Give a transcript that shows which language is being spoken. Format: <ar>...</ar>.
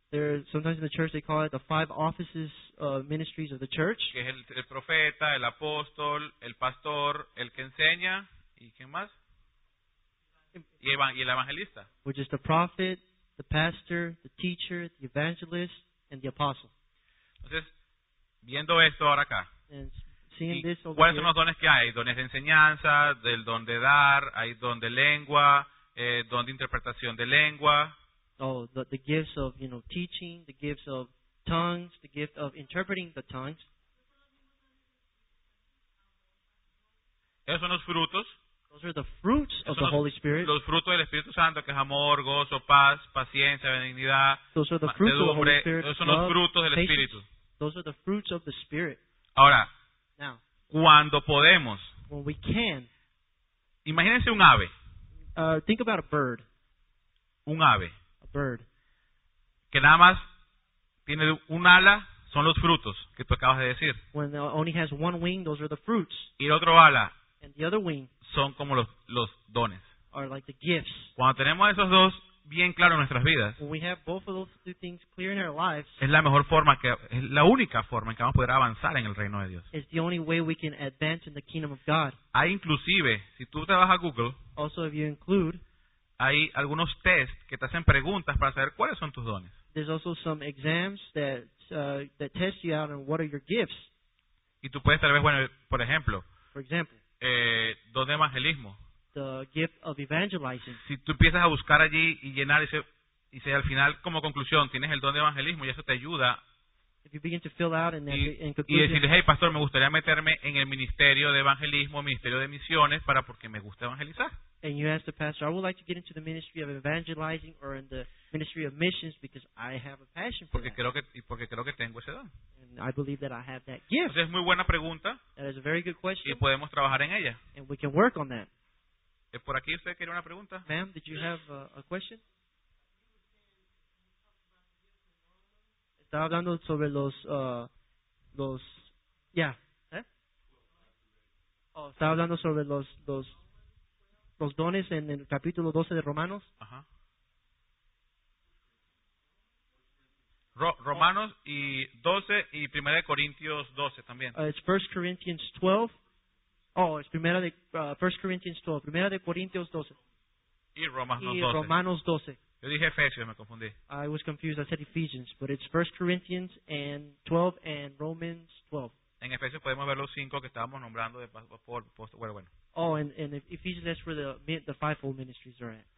<en>There, sometimes in the church they call it the five offices, ministries of the church.</en> <es>Que es el profeta, el apóstol, el pastor, el que enseña, ¿y quién más? Y el evangelista.</es> <en>Which is the prophet, the pastor, the teacher, the evangelist, and the apostle.</en> <es>Entonces, viendo esto ahora acá,</es> <en>seeing this over</en> <es>¿cuáles</es> <en>here,</en> <es>son los dones que hay? Dones de enseñanza, del don de dar, hay don de lengua, don de interpretación de lengua.</es> <en>Oh, the gifts of, you know, teaching, the gifts of tongues, the gift of interpreting the tongues.</en> <es>Esos son los frutos.</es> <en>Those are the fruits of the Holy Spirit.</en> <es>Los frutos del Espíritu Santo, que es amor, gozo, paz, paciencia, benignidad.</es> <en>Those are the fruits of the Holy Spirit.</en> <es>Esos son los frutos del Espíritu.</es> <en>Those are the fruits of the Spirit.</en> <es>Ahora,</es> <en>now,</en> <es>cuando podemos,</es> <en>when we can,</en> <es>imagínense un ave.</es> <en>Think about a bird.</en> <es>Un ave.</es> <en>A bird.</en> <es>Que nada más tiene un ala, son los frutos que tú acabas de decir.</es> <en>When it only has one wing, those are the fruits.</en> <es>Y el otro ala.</es> <en>And the other wing.</en> <es>Son como los dones.</es> <en>Are like the gifts.</en> <es>Cuando tenemos esos dos bien claros en nuestras vidas,</es> <en>when we have both of those two things clear in our lives,</en> <es>es la mejor forma, es la única forma en que vamos a poder avanzar en el reino de Dios.</es> <en>It's the only way we can advance in the kingdom of God.</en> <es>Hay inclusive, si tú te vas a Google,</es> <en>also if you include,</en> <es>hay algunos test que te hacen preguntas para saber cuáles son tus dones.</es> <en>There's also some exams that test you out on what are your gifts.</en> <es>Y tú puedes tal vez, bueno, por ejemplo,</es> <en>for example,</en> <es>don de evangelismo.</es> <en>The gift of evangelizing.</en> <es>Si tú empiezas a buscar allí y llenar y se al final como conclusión tienes el don de evangelismo y eso te ayuda.</es> <en>If you begin to fill out</en> <es>y decir, hey pastor, me gustaría meterme en el ministerio de evangelismo, ministerio de misiones, para porque me gusta evangelizar.</es> <en>And you ask the pastor, I would like to get into the ministry of evangelizing or in the ministry of missions because I have a passion for</en> <es>porque</es> <en>that.</en> <es>Porque creo que tengo ese don.</es> <en>And I believe that I have that gift.</en> <es>Entonces, es muy buena pregunta.</es> <en>That is a very good question.</en> <es>Y podemos trabajar en ella.</es> <en>And we can work on that.</en> <es>Por aquí usted quería una pregunta.</es> <en>Ma'am, did you have a question?</en> <es>Estaba hablando sobre los dones en el capítulo 12 de Romanos. Ajá. Romanos y 12 y 1 Corintios 12 también. Primera de Corintios 12. Y Romanos 12. Yo dije Efesios, me confundí.</es> <en>I was confused, I said Ephesians, but it's 1 Corinthians and 12 and Romans 12.</en> <es>En Efesios podemos ver los 5 que estábamos nombrando de post, bueno.</es> <en>Oh, and Ephesians, that's where the fivefold ministries are at.</en>